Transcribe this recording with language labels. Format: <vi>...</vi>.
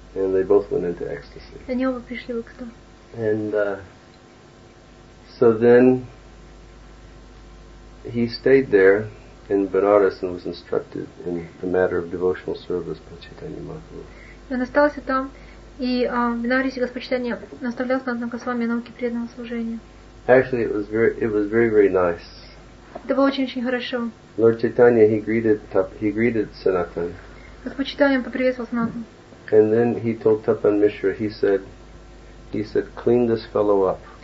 <en>And they both went into ecstasy.</en> <ru>Они оба пришли в экстаз.</ru> <en>And so then he stayed there in Benares and was instructed in the matter of devotional service by Chaitanya Mahaprabhu.</en> <ru>Он остался там. И Бинарисе Господь Чайтанья наставлял Санатана Госвами о науке преданного служения.</ru> <en>Actually, it was very, very nice.</en> <ru>Это было очень-очень хорошо.</ru> <en>Lord Chaitanya, he greeted Sanatan.</en> <ru>Господь Чайтанья поприветствовал Санатан.</ru> <en>And then he told Tapan Mishra, he said, "Clean this fellow up."</en>